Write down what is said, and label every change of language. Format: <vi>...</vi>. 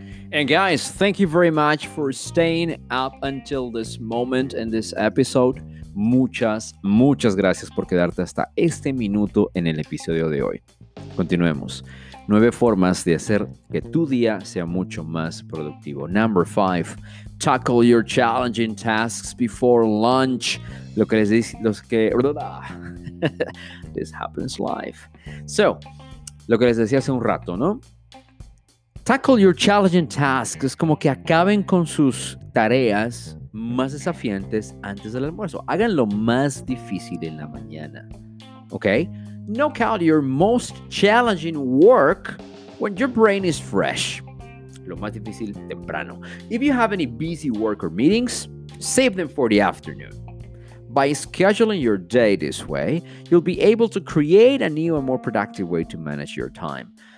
<en>And guys, thank you very much for staying up until this moment in this episode.</en> <es>Muchas, muchas gracias por quedarte hasta este minuto en el episodio de hoy. Continuemos. 9 formas de hacer que tu día sea mucho más productivo.</es> <en>Number 5. Tackle your challenging tasks before lunch.</en> <es>Lo que les dice, los que...</es> <en>This happens live.</en> <es>So, lo que les decía hace un rato, ¿no?</es> <en>Tackle your challenging tasks.</en> <es>Es como que acaben con sus tareas más desafiantes antes del almuerzo. Hagan lo más difícil en la mañana. ¿Ok?</es> <en>Knock out your most challenging work when your brain is fresh.</en> <es>Lo más difícil, temprano.</es> <en>If you have any busy work or meetings, save them for the afternoon. By scheduling your day this way, you'll be able to create a new and more productive way to manage your time.</en>